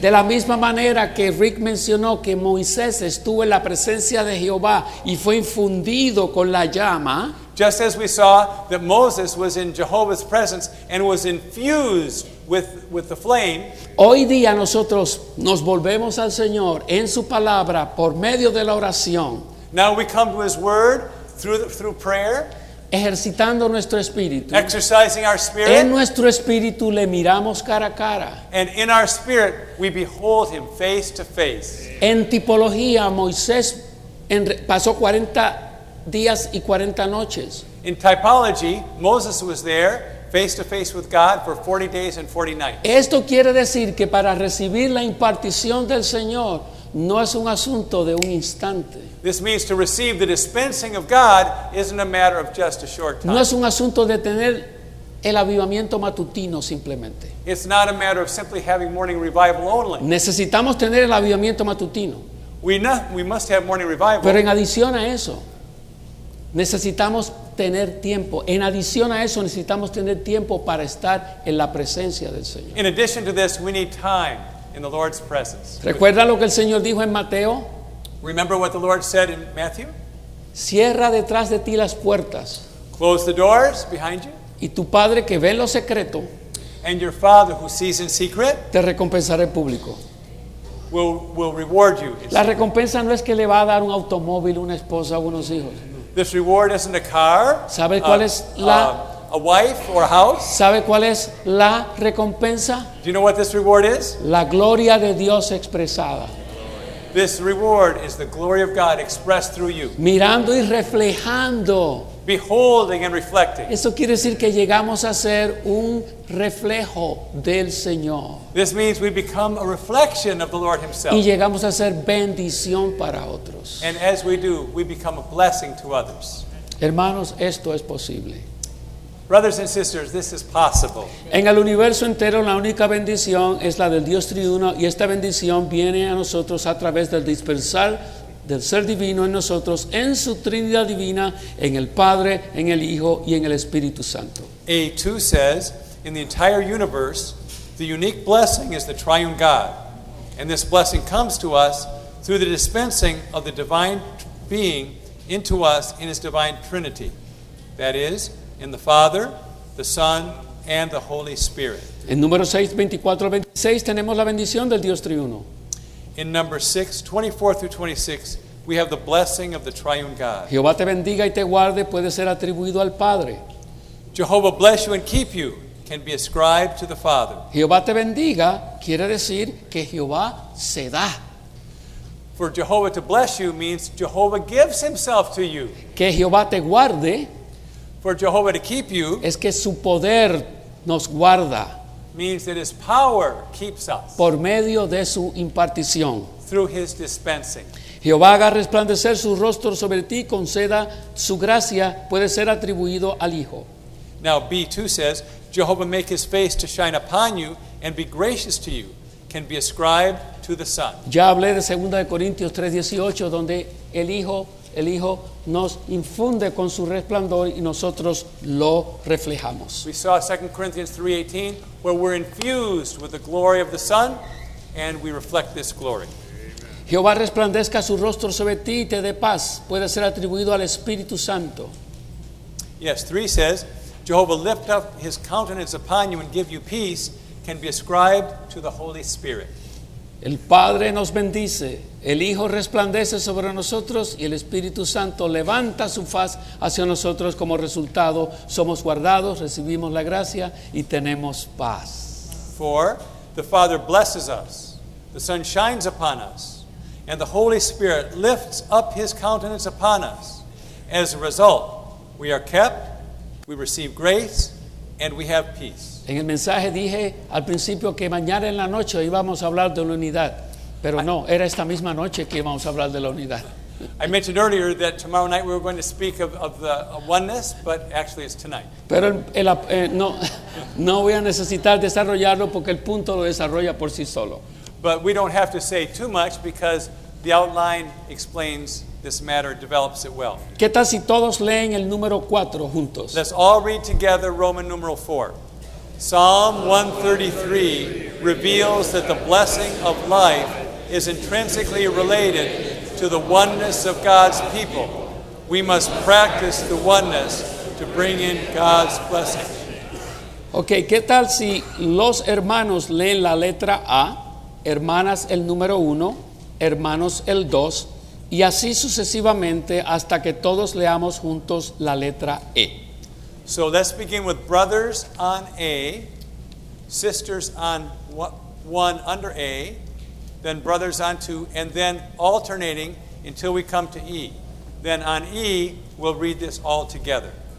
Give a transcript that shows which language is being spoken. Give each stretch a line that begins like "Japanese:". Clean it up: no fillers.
Spanish: De la misma manera que Rick mencionó que Moisés estuvo en la presencia de Jehová y fue infundido con la llama.
English: Just as we saw that Moses was in Jehovah's presence and was infused with the flame.
Spanish: Hoy día nosotros nos volvemos al Señor en su palabra por medio de la oración.
English: Now we come to his word through prayer.
Spanish: Ejercitando nuestro espíritu.
English: Exercising our spirit.
Spanish: En nuestro espíritu le miramos cara a cara.
English: And in our spirit we behold him face to face.
Spanish: En tipología Moisés pasó 40 días y 40 noches.
English: In typology, Moses was there face to face with God for 40 days and 40 nights.
Spanish: Esto quiere decir que para recibir la impartición del Señor no es un asunto de un instante.
English: This means to receive the dispensing of God isn't a matter of just a short time.
Spanish: No es un asunto de tener el avivamiento matutino simplemente.
English: It's not a matter of simply having morning revival only.
Spanish: Necesitamos tener el avivamiento matutino.
English: We must have morning revival.
Spanish: Pero en adición a eso, necesitamos tener tiempo. En adición a eso, necesitamos tener tiempo para estar en la presencia del Señor.
English: In addition to this, we need time in the Lord's presence.
Spanish: ¿Recuerda lo que el Señor dijo en Mateo?
English: Remember what the Lord said in Matthew?
Spanish: Cierra detrás de ti las puertas.
English: Close the doors behind you.
Spanish: Y tu Padre que ve en lo secreto.
English: And your Father who sees in secret.
Spanish: Te recompensará en público.
English: Will reward you.
Spanish: La recompensa no es que le va a dar un automóvil, una esposa o unos hijos.
English: This reward isn't a car.
Spanish: ¿Sabe cuál es la
English: a wife or a house?
Spanish: ¿Sabe cuál es la recompensa?
English: Do you know what this reward is?
Spanish: La gloria de Dios expresada.
English: This reward is the glory of God expressed through you.
Spanish: Mirando y reflejando.
English: Beholding and reflecting.
Spanish: Eso quiere decir que llegamos a ser un reflejo del Señor.
English: This means we become a reflection of the Lord himself.
Spanish: Y llegamos a ser bendición para otros.
English: And as we do, we become a blessing to others.
Spanish: Hermanos, esto es posible.
English: Brothers and sisters, this is possible.
Spanish: En el universo entero, la única bendición es la del Dios triuno, y esta bendición viene a nosotros a través del dispensar del ser divino en nosotros, en su Trinidad divina, en el Padre, en el Hijo y en el Espíritu Santo.
English: A2 says, in the entire universe, the unique blessing is the triune God, and this blessing comes to us through the dispensing of the divine being into us in his divine Trinity. That is, in the Father, the Son, and the Holy Spirit.
Spanish: En número 6, 24 al 26, tenemos la bendición del Dios triuno.
English: In number 6, 24 through 26, we have the blessing of the triune God.
Spanish: Jehová te bendiga y te guarde puede ser atribuido al Padre.
English: Jehovah bless you and keep you can be ascribed to the Father.
Spanish: Jehová te bendiga quiere decir que Jehová se da.
English: For Jehovah to bless you means Jehovah gives himself to you.
Spanish: Que Jehová te guarde.
English: For Jehovah to keep you
Spanish: es que su poder nos guarda.
English: Means that his power keeps us.
Spanish: Por medio de su impartición.
English: Through his dispensing.
Spanish: Jehová haga resplandecer su rostro sobre ti, conceda su gracia, puede ser atribuido al Hijo.
English: Now B2 says, Jehovah make his face to shine upon you and be gracious to you, can be ascribed to the Son.
Spanish: Ya hablé de 2 Corintios 3:18, donde el Hijo nos infunde con su resplandor y nosotros lo reflejamos.
English: We saw 2 Corinthians 3:18, where we're infused with the glory of the Son and we reflect this glory.
Spanish: Jehová resplandezca su rostro sobre ti y te dé paz, puede ser atribuido al Espíritu Santo.
English: Yes, 3 says, Jehovah lift up his countenance upon you and give you peace, can be ascribed to the Holy Spirit.
Spanish: El Padre nos bendice, el Hijo resplandece sobre nosotros y el Espíritu Santo levanta su faz hacia nosotros. Como resultado, somos guardados, recibimos la gracia y tenemos paz.
English: For the Father blesses us, the Son shines upon us, and the Holy Spirit lifts up his countenance upon us. As a result, we are kept, we receive grace, and we have peace.
Spanish: En el mensaje dije al principio que mañana en la noche íbamos a hablar de la unidad, pero no, era esta misma noche que íbamos a hablar de la unidad.
English: I mentioned earlier that tomorrow night we were going to speak of oneness, but actually it's tonight.
Spanish: Pero no voy a necesitar desarrollarlo porque el punto lo desarrolla por sí solo.
English: But we don't have to say too much because the outline explains this matter, develops it well.
Spanish: ¿Qué tal si todos leen el número 4 juntos?
English: Let's all read together Roman numeral 4. Psalm 133 reveals that the blessing of life is intrinsically related to the oneness of God's people. We must practice the oneness to bring in God's blessing.
Spanish: Okay, ¿qué tal si los hermanos leen la letra A, hermanas el número 1, hermanos el 2, y así sucesivamente hasta que todos leamos juntos la letra E?
English: So let's begin with brothers on A, sisters on one under A, then brothers on 2, and then alternating until we come to E. Then on E, we'll read this all together.